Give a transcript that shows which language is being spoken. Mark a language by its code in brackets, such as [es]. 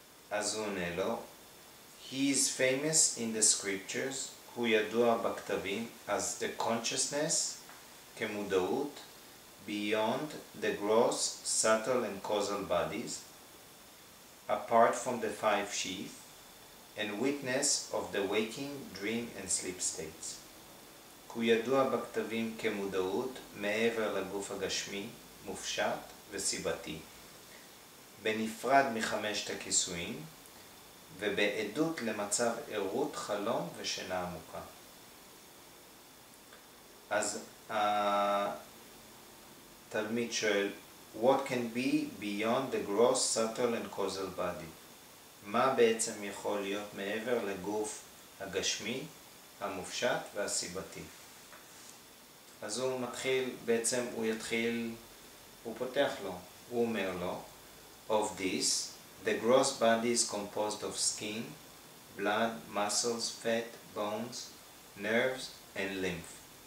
[he] אז הוא עונה לו, [en] He is famous in the scriptures, [he] הוא ידוע בכתבים, [en] as the consciousness, כמודעות, beyond the gross, subtle and causal bodies, apart from the five sheath, and witness of the waking, dream and sleep states. [he] הוא ידוע בכתבים כמודעות, מעבר לגוף הגשמי, מופשט וסיבתי, בנפרד מחמשת הכיסויים, ובעדות למצב עירות, חלום ושינה עמוקה. אז התלמיד שואל, [en] What can be beyond the gross, subtle and causal body? [he] מה בעצם יכול להיות מעבר לגוף הגשמי, המופשט והסיבתי? אז הוא מתחיל, בעצם הוא יתחיל, הוא פותח לו, הוא אומר לו, [en] Of this, the gross body is composed of skin, blood, muscles, fat, bones, nerves and lymph.